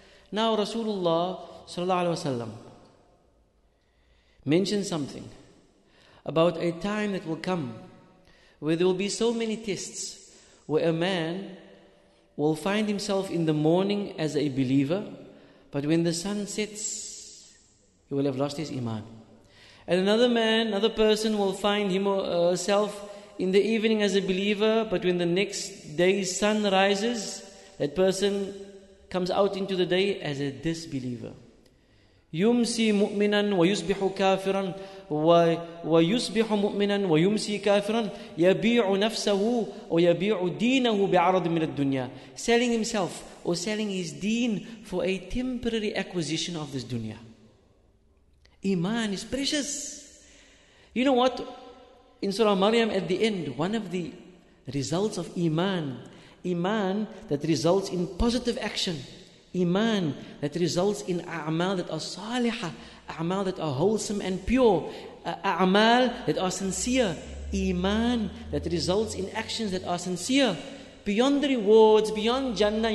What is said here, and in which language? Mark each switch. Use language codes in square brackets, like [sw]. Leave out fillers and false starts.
[en] Now Rasulullah sallallahu alaihi wasallam mentioned something about a time that will come where there will be so many tests where a man will find himself in the morning as a believer, but when the sun sets, he will have lost his iman. And another man, another person will find himself in the evening as a believer, but when the next day's sun rises, that person comes out into the day as a disbeliever. [ar] يُمْسِي مُؤْمِنًا وَيُسْبِحُ كَافِرًا وَيُسْبِحُ مُؤْمِنًا وَيُمْسِي كَافِرًا يَبِيعُ نَفْسَهُ وَيَبِيعُ دِينَهُ بِعَرَضٍ مِنَ الدُّنْيَا [en] selling himself or selling his deen for a temporary acquisition of this dunya. Iman is precious. You know what? In Surah Maryam at the end, one of the results of iman, iman that results in positive action, iman that results in a'mal that are saliha, a'mal that are wholesome and pure, a'mal that are sincere, iman that results in actions that are sincere, beyond the rewards, beyond Jannah.